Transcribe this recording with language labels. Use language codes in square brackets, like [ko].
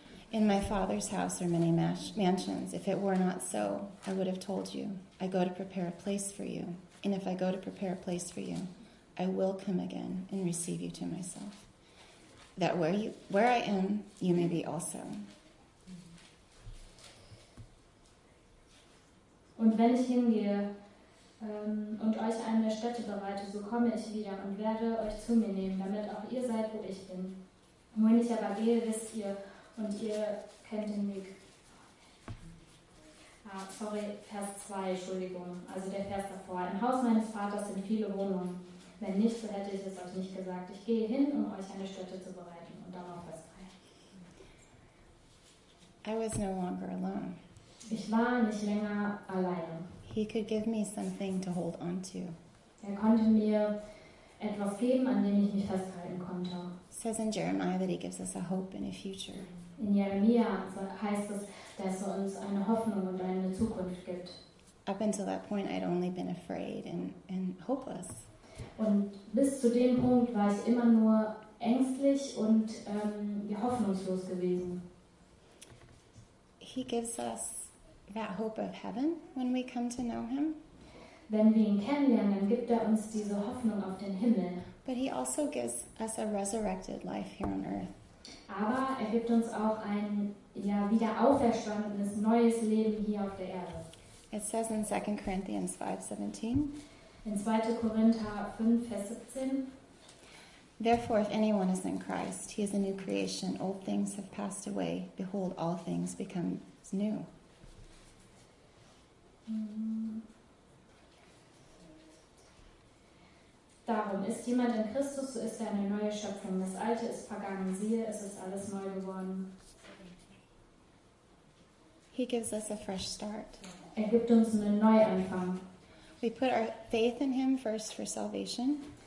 [en] In my Father's house are many mansions. If it were not so, I would have told you. I go to prepare a place for you. And if I go to prepare a place for you, I will come again and receive you to myself. That where I am, you may be also. [de] Und wenn ich hingehe und euch eine Stätte bereite, so komme ich wieder und werde euch zu mir nehmen, damit auch ihr seid, wo ich bin. Wohin ich aber gehe, wisst ihr, und ihr kennt den Weg. Vers 2, Entschuldigung, also der Vers davor. Im Haus meines Vaters sind viele Wohnungen. Wenn nicht, so hätte ich es euch nicht gesagt. Ich gehe hin, um euch eine Stätte zu bereiten. Und darauf Vers 3. [en] I was no longer alone. [de] Ich war nicht länger alleine. [en] He could give me something to hold on to. [de] Er konnte mir etwas geben, an dem ich mich festhalten konnte. [en] It says in Jeremiah that he gives us a hope and a future. [de] In Jeremia heißt es, dass er uns eine Hoffnung und eine Zukunft gibt. [en] Up until that point, I'd only been afraid and hopeless. [de] Und bis zu dem Punkt war ich immer nur ängstlich und hoffnungslos gewesen. [en] He gives us that hope of heaven when we come to know him. [de] Wenn wir ihn kennenlernen, dann gibt er uns diese Hoffnung auf den Himmel. [en] But he also gives us a resurrected life here on earth. [de] Aber er gibt uns auch ein wieder auferstandenes neues Leben hier auf der Erde. [en] It says in 2 Corinthians 5:17. [de] In 2. Korinther 5, Vers 17. [en] Therefore, if anyone is in Christ, he is a new creation. Old things have passed away. Behold, all things become new. Mm. [de] Darum ist jemand in Christus, so ist er eine neue Schöpfung. Das Alte ist vergangen. Siehe, es ist alles neu geworden. [en] He gives us a fresh start. [de] Er gibt uns einen Neuanfang. [en] We put our faith in him first for salvation.